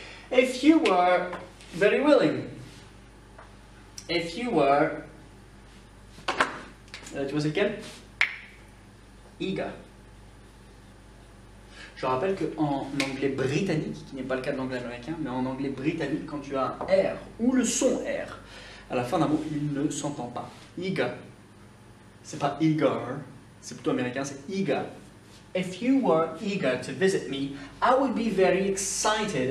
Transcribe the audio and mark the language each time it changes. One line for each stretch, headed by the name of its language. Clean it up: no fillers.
English: If you were very willing, if you were,
French: tu vois c'est lequel?
English: Eager.
French: Je rappelle qu'en anglais britannique, qui n'est pas le cas de l'anglais américain, mais en anglais britannique, quand tu as un R ou le son R, à la fin d'un mot, il ne s'entend pas. Iga. C'est pas eager, c'est plutôt américain, c'est eager.
English: If you were eager to visit me, I would be very excited.